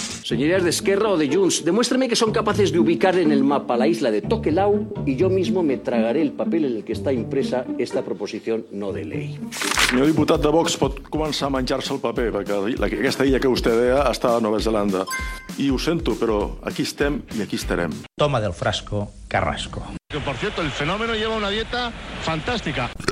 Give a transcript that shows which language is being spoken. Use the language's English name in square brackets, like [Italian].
[Spanish] Señorías de Esquerra o de Junts, demuéstrame que son capaces de ubicar en el mapa la isla de Tokelau y yo mismo me tragaré el papel en el que está impresa esta proposición no de ley. [Catalan] Senyor diputat de Vox, pot començar a menjar-se el paper, perquè aquesta illa que vostè deia està a Nova Zelanda. I ho sento, però aquí estem i aquí estarem. [Spanish] Toma del frasco, Carrasco. Que, por cierto, el fenómeno lleva una dieta fantástica.